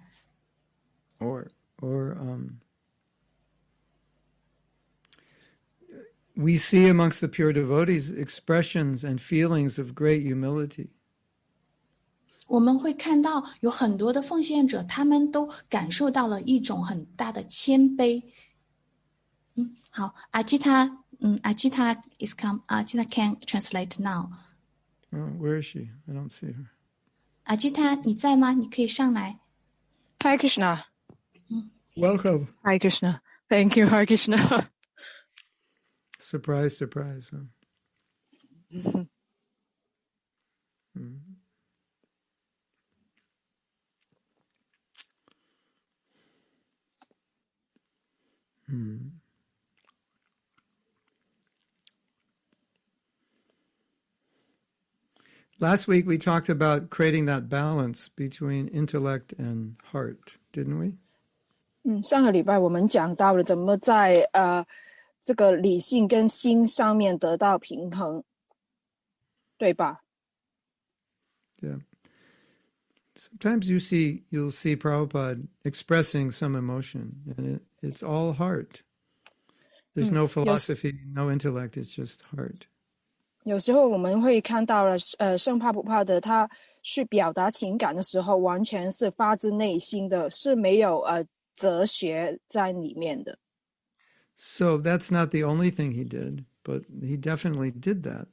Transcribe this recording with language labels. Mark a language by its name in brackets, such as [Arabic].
[Chinese] 所以我说的是，我们要去表达自己的这种情感，而不是仅仅是说我们去感受。当你去感受的时候，你不一定会表达；而当你去表达这个情感的时候，你已经感受到了他们的情感。Or, [English] we see amongst the pure devotees expressions and feelings of great humility. [Chinese] 我们会看到有很多的奉献者，他们都感受到了一种很大的谦卑。好，阿基塔，阿基塔 [English] is come. Ajita can translate now. Where is she? I don't see her. [Chinese] 阿基塔，你在吗？你可以上来。Hi [English] Krishna. Welcome. Hi Krishna. Thank you, Hi Krishna. Surprise, surprise. Last week we talked about creating that balance between intellect and heart, didn't we? [Chinese] 上个礼拜我们讲到了怎么在这个理性跟心上面得到平衡，对吧？ [English] Yeah. Sometimes you'll see Prabhupada expressing some emotion, and it's all heart. There's no philosophy, no intellect. It's just heart. [Chinese] 有时候我们会看到了，圣帕普帕德他去表达情感的时候，完全是发自内心的，是没有哲学在里面的。So [English] that's not the only thing he did, but he definitely did that.